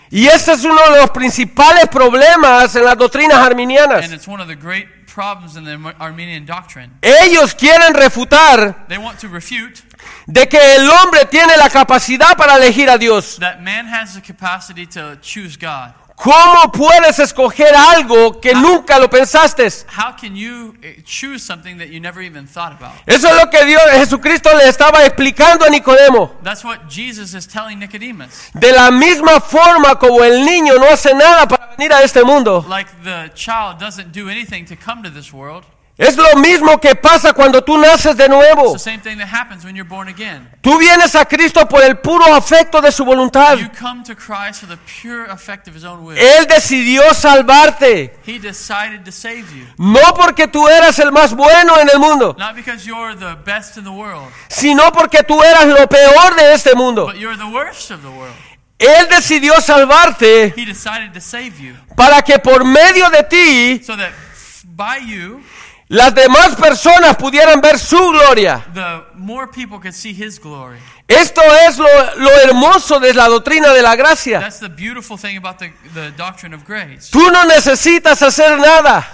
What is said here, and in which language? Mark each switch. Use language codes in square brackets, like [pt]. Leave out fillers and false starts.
[es] Y este es uno de los principales problemas en las doctrinas arminianas. [en] And it's one of the great problems in the Arminian doctrine. [es] Ellos quieren refutar. [en] They want to refute. [es] De que el hombre tiene la capacidad para elegir a Dios. [en] That man has the capacity to choose God. [es] ¿Cómo puedes escoger algo que nunca lo pensaste? [en] How can you choose something that you never even thought about? [es] Eso es lo que Dios, Jesucristo le estaba explicando a Nicodemo. [en] That's what Jesus is telling Nicodemus. [es] De la misma forma como el niño no hace nada para venir a este mundo. [en] Like the child doesn't do anything to come to this world. [es] Es lo mismo que pasa cuando tú naces de nuevo. [en] It's the same thing that happens when you're born again. [es] Tú vienes a Cristo por el puro afecto de su voluntad. [en] You come to Christ for the pure effect of his own will. [es] Él decidió salvarte. [en] He decided to save you. [es] No porque tú eras el más bueno en el mundo. [en] Not because you're the best in the world. [es] Sino porque tú eras lo peor de este mundo. [en] But you're the worst of the world. [es] Él decidió salvarte. [en] He decided to save you. [es] Para que por medio de ti. [en] So that by you. [es] Las demás personas pudieran ver su gloria. [en] The more people could see his glory. [es] Esto es lo hermoso de la doctrina de la gracia. [en] That's the beautiful thing about the doctrine of grace. [es] Tú no necesitas hacer nada.